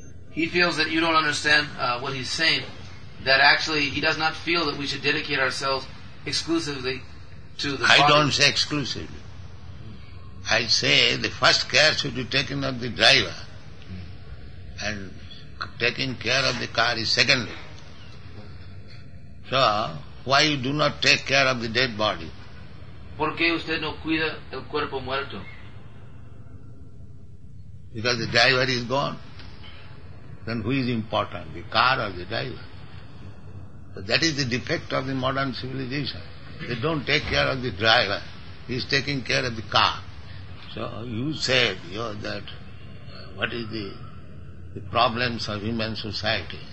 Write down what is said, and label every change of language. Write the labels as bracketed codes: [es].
[en] He feels that you don't understand what he's saying, that actually he does not feel that we should dedicate ourselves exclusively to the body. I don't say exclusively. I say the first care should be taken of the driver, and taking care of the car is secondary. So, why you do not take care of the dead body? [es] ¿Por qué usted no cuida el cuerpo muerto? [en] Because the driver is gone. Then who is important, the car or the driver? So that is the defect of the modern civilization. They don't take care of the driver, he is taking care of the car. So you said, you know, that what is the problems of human society?